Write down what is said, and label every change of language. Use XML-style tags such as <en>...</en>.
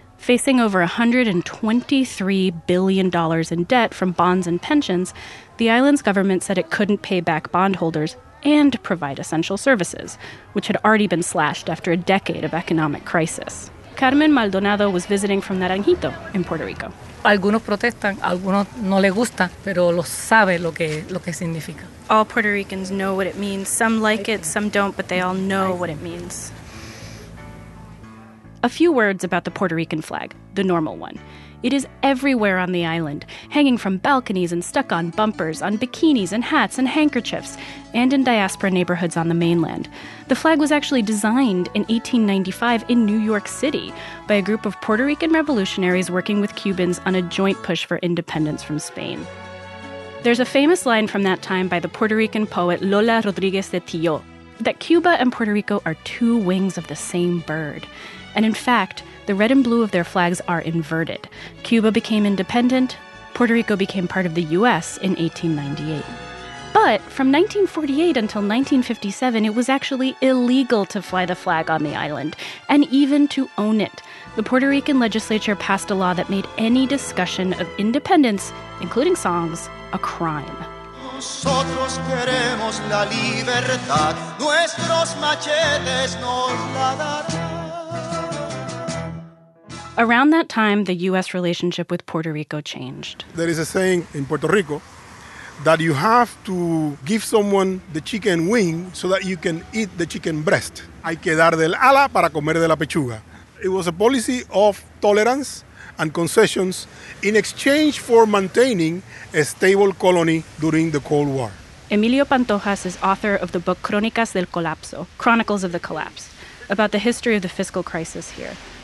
<en>Facing over $123 billion in debt from bonds and pensions, the island's government said it couldn't pay back bondholders and provide essential services, which had already been slashed after a decade of economic crisis. Carmen Maldonado was visiting from Naranjito in Puerto Rico.</en> <es>Algunos protestan, algunos no les gusta, pero lo sabe lo que significa.</es> <en>All Puerto Ricans know what it means. Some like it, some don't, but they all know what it means. A few words about the Puerto Rican flag, the normal one. It is everywhere on the island, hanging from balconies and stuck on bumpers, on bikinis and hats and handkerchiefs, and in diaspora neighborhoods on the mainland. The flag was actually designed in 1895 in New York City by a group of Puerto Rican revolutionaries working with Cubans on a joint push for independence from Spain. There's a famous line from that time by the Puerto Rican poet Lola Rodriguez de Tillo, that Cuba and Puerto Rico are two wings of the same bird. And in fact, the red and blue of their flags are inverted. Cuba became independent, Puerto Rico became part of the U.S. in 1898. But from 1948 until 1957, it was actually illegal to fly the flag on the island, and even to own it. The Puerto Rican legislature passed a law that made any discussion of independence, including songs, a crime.</en> <es>Nosotros queremos la libertad, nuestros machetes nos la darán.</es> <en>Around that time, the U.S. relationship with Puerto Rico changed. There is a saying in Puerto Rico that you have to give someone the chicken wing so that you can eat the chicken breast.</en> <es>Hay que dar del ala para comer de la pechuga.</es> <en>It was a policy of tolerance and concessions in exchange for maintaining a stable colony during the Cold War. Emilio Pantojas is author of the book Crónicas del Colapso, Chronicles of the Collapse, about the history of the fiscal crisis here.</en>